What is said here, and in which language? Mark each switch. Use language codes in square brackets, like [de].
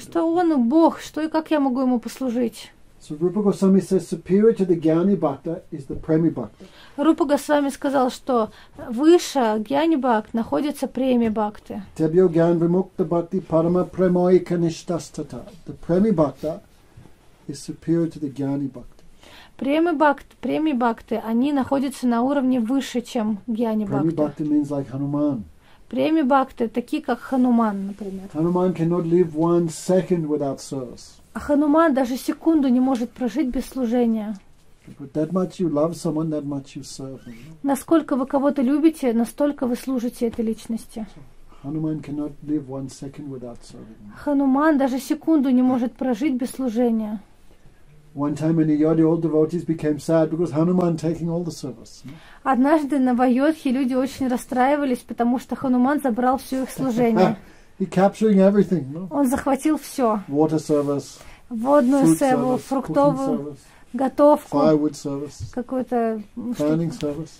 [ru] Что он Бог, что и как я могу ему послужить? [en] So Rupa Goswami says superior to the Gyani Bhakta is the Premi Bhakta. [ru] Rupa Goswami сказал, что выше Гьяни Бхакт находится Преми Бхакты. [sa] Tebhyo Gyan Vimukta Bhakti Parama Premoika Nishtastata. [en] The Premi Bhakta is superior to the Gyani Bhakta. [ru] Преми Бхакт, Преми Бхакты, они находятся на уровне выше, чем Гьяни Бхакта. [en] Premi Bhakta means like Hanuman. [ru] Преми Бхакты такие, как Хануман, например. [en] Hanuman cannot live one second without service. [ru] А Хануман даже секунду не может прожить без служения. [en] That much you love someone, that much you serve him. [ru] Насколько вы кого-то любите, настолько вы служите этой личности. [en] Hanuman cannot live one second without serving him. [ru] Хануман даже секунду не может прожить без служения. [en] One time in Ayodhya, all devotees became sad because Hanuman taking all the service. [ru] Однажды на Вайодхе люди очень расстраивались, потому что Хануман забрал все их служение. [en] He capturing everything. No? [ru] Он захватил все. [en] Water service. [ru] Водную сервис, фруктовую [en] service, [ru] готовку. [en] Firewood service. [ru] Какой-то. [en] Burning service.